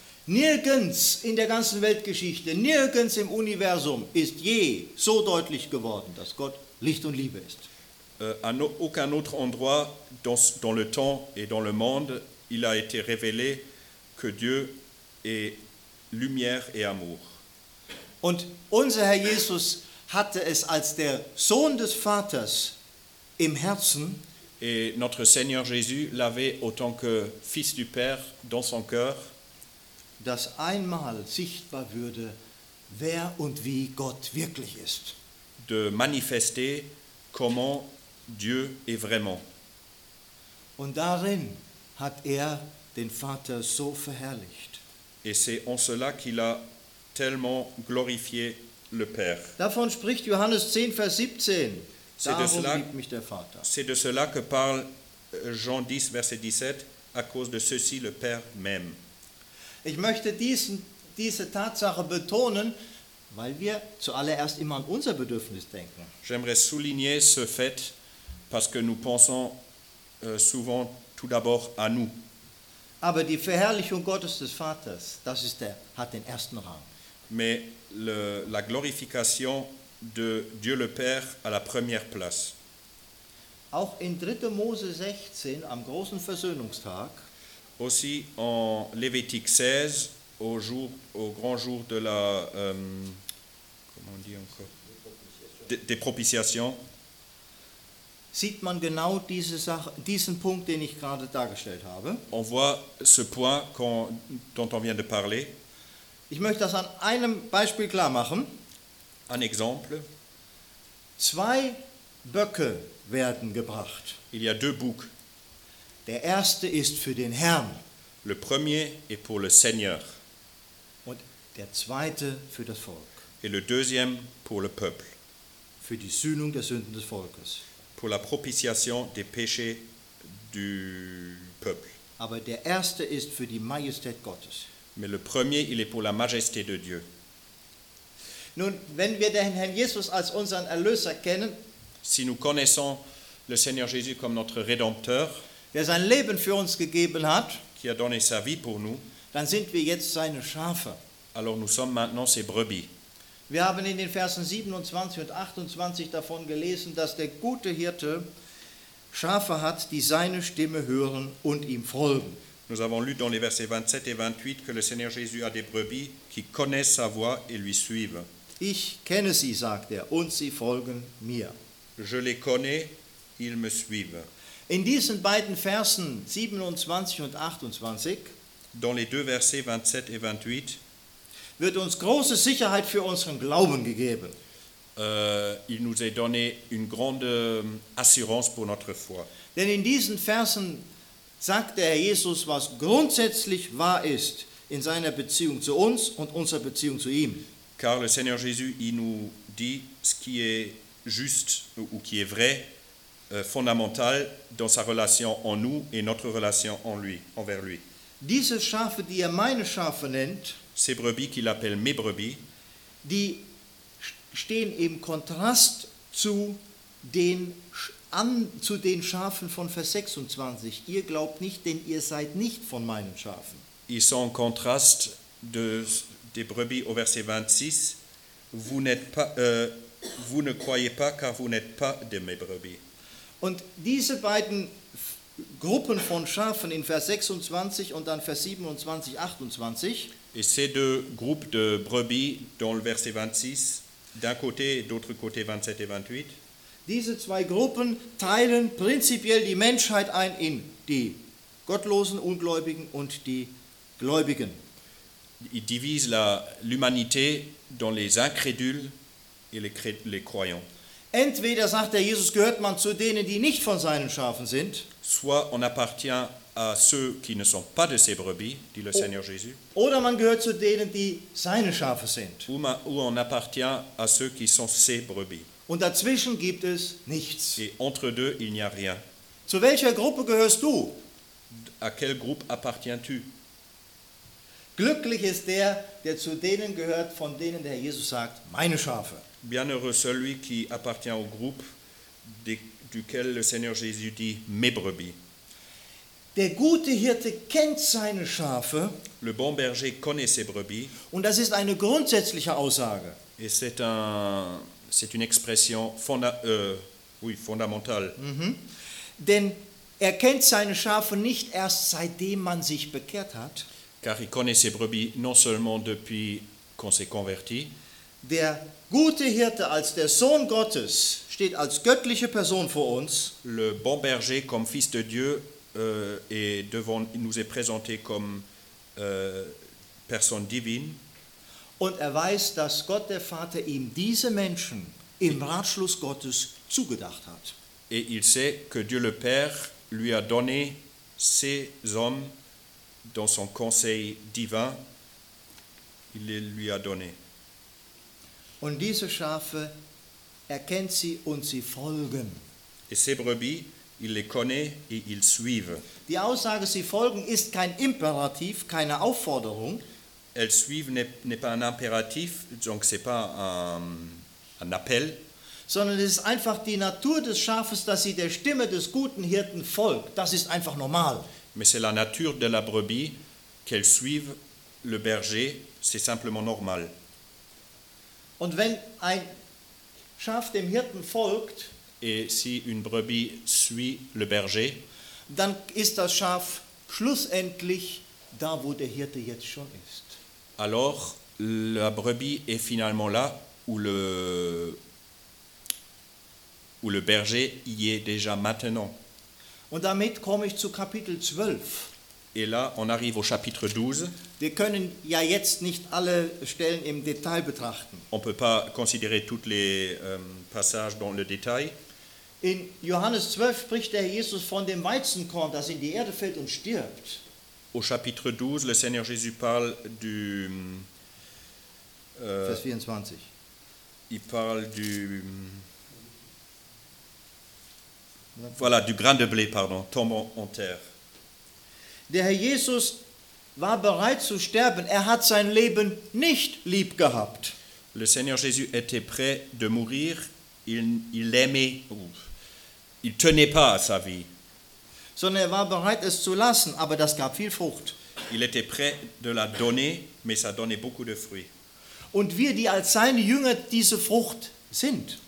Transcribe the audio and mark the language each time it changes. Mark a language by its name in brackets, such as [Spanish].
[German] Nirgends in der ganzen Weltgeschichte, nirgends im Universum ist je so deutlich geworden, dass Gott Licht und Liebe ist. [French] Aucun autre endroit dans le temps et dans le monde, il a été révélé que Dieu est lumière et amour. [German] Und unser Herr Jesus hatte es als der Sohn des Vaters im Herzen. [French] Et notre Seigneur Jésus l'avait autant que Fils du Père dans son cœur. [German] Dass einmal sichtbar würde, wer und wie Gott wirklich ist. [French] De manifester comment Dieu est vraiment. [German] Und darin hat den Vater so verherrlicht. [French] Et c'est en cela qu'il a tellement glorifié le Père. [German] Davon spricht Johannes 10, Vers 17. [French] C'est [German] darum [French] de cela, [German] liebt mich der Vater. [French] C'est de cela que parle Jean 10, verset 17, à cause de ceci le Père m'aime. [German] Ich möchte diese Tatsache betonen, weil wir zuallererst immer an unser Bedürfnis denken. [French] J'aimerais souligner ce fait parce que nous pensons souvent tout d'abord à nous. [German] Aber die Verherrlichung Gottes des Vaters, das ist hat den ersten Rang. [French] Mais la glorification de Dieu le Père à la première place. [German] Auch in 3. Mose 16 am großen Versöhnungstag. [French] Aussi en Lévitique 16, au grand jour de la comment on dit encore des propitiations, [German] sieht man genau diesen Punkt, den ich gerade dargestellt habe. [French] On voit ce point dont on vient de parler. [German] Ich möchte das an einem Beispiel klar machen. [French] Un exemple. [German] Zwei Böcke werden gebracht. [French] Il y a deux boucs. [German] Der erste ist für den Herrn. [French] Le premier est pour le Seigneur. [German] Und der zweite für das Volk. [French] Et le deuxième pour le peuple. [German] Für die Sühnung der Sünden des Volkes. [French] Pour la propitiation des péchés du peuple. [German] Aber der erste ist für die Majestät Gottes. [French] Mais le premier, il est pour la majesté de Dieu. [German] Nun, wenn wir den Herrn Jesus als unseren Erlöser kennen, [French] si nous connaissons le Seigneur Jésus comme notre Rédempteur, [German] der sein Leben für uns gegeben hat, [French] qui a donné sa vie pour nous, [German] dann sind wir jetzt seine Schafe. [French] Alors nous sommes maintenant ses brebis. [German] Wir haben in den Versen 27 und 28 davon gelesen, dass der gute Hirte Schafe hat, die seine Stimme hören und ihm folgen. [French] Nous avons lu dans les versets 27 et 28 que le Seigneur Jésus a des brebis qui connaissent sa voix et lui suivent. [German] Ich kenne sie, sagt und sie folgen mir. [French] Je les connais, ils me suivent. [German] In diesen beiden Versen 27 und 28, [French] dans les deux versets 27 et 28, [German] wird uns große Sicherheit für unseren Glauben gegeben. [French] Il nous est donné une grande assurance pour notre foi. [German] Denn in diesen Versen sagt der Herr Jesus, was grundsätzlich wahr ist in seiner Beziehung zu uns und unserer Beziehung zu ihm. [French] Car le Seigneur Jésus il nous dit ce qui est juste ou qui est vrai, fondamental dans sa relation en nous et notre relation en lui, envers lui. [German] Diese Schafe, die meine Schafe nennt, [French] ces brebis qu'il appelle mes brebis, [German] die stehen im Kontrast zu den Schafen von Vers 26. Ihr glaubt nicht, denn ihr seid nicht von meinen Schafen. [French] Ils sont en contraste des brebis au verset 26. Vous n'êtes pas, vous ne croyez pas, car vous n'êtes pas de mes brebis. [German] Und diese beiden Gruppen von Schafen in Vers 26 und dann Vers 27, 28. [French] Et ces deux groupes de brebis dans le verset 26, d'un côté et d'autre côté 27 et 28. [German] Diese zwei Gruppen teilen prinzipiell die Menschheit ein in die gottlosen Ungläubigen und die Gläubigen. [French] Ils divisent l'humanité dans les incrédules et les croyants. [German] Entweder sagt der Jesus, gehört man zu denen, die nicht von seinen Schafen sind. [French] Soit on appartient à ceux qui ne sont pas de ses brebis, dit le Seigneur Jésus. [German] Oder man gehört zu denen, die seine Schafe sind. [French] Ou on appartient à ceux qui sont ses brebis. [German] Und dazwischen gibt es nichts. [French] Et entre deux, il n'y a rien. [German] Zu welcher Gruppe gehörst du? [French] À quelle groupe appartiens-tu? [German] Glücklich ist der, der zu denen gehört, von denen der Jesus sagt, meine Schafe. [French] Bienheureux celui qui appartient au groupe duquel le Seigneur Jésus dit mes brebis. [German] Der gute Hirte kennt seine Schafe. [French] Le bon berger connaît ses brebis. [German] Und das ist eine grundsätzliche Aussage. [French] Et c'est une expression fondamentale. Mm-hmm. [German] Denn er kennt seine Schafe nicht erst seitdem man sich bekehrt hat. [French] Car il connaît ses brebis non seulement depuis qu'on s'est converti. [German] Der gute Hirte als der Sohn Gottes steht als göttliche Person vor uns. [French] Le bon berger comme fils de Dieu nous est présenté comme personne divine. [German] Und er weiß, dass Gott der Vater ihm diese Menschen im Ratschluss Gottes zugedacht hat. [French] Et il sait que Dieu le Père lui a donné ces hommes dans son conseil divin. Il les lui a donné. [German] Und diese Schafe erkennt sie und sie folgen. [French] Et ces brebis, il les connaît et ils suivent. [German] Die Aussage, sie folgen, ist kein Imperativ, keine Aufforderung. [French] Elles suivent n'est pas un impératif, donc c'est pas un appel. [German] Sondern es ist einfach die Natur des Schafes, dass sie der Stimme des guten Hirten folgt. Das ist einfach normal. [French] Mais c'est la nature de la brebis qu'elle suive le berger, c'est simplement normal. [German] Und wenn ein Schaf dem Hirten folgt, [French] et si une brebis suit le berger, [German] dann ist das Schaf schlussendlich da, wo der Hirte jetzt schon ist. [French] Alors la brebis est finalement là où le berger y est déjà maintenant. [German] Und damit komme ich zu Kapitel 12. [French] Et là, on arrive au chapitre 12. [German] Wir können ja jetzt nicht alle Stellen im Detail betrachten. [French] On peut pas considérer toutes les passages dans le détail. [German] In Johannes 12 spricht der Jesus von dem Weizenkorn, das in die Erde fällt und stirbt. [French] Au chapitre 12, le Seigneur Jésus parle du [German] Vers 24. [French] Il parle du voilà, du grain de blé, pardon, tombant en terre. [German] Der Herr Jesus war bereit zu sterben. Er hat sein Leben nicht lieb gehabt. [French] Le Seigneur Jésus était prêt de mourir. Il aimait. Il tenait pas à sa vie. [German] Sondern er war bereit, es zu lassen, aber das gab viel Frucht. [French] Il était prêt de la donner, mais ça donnait beaucoup de fruits. [German] Und wir, die als seine Jünger diese Frucht sind.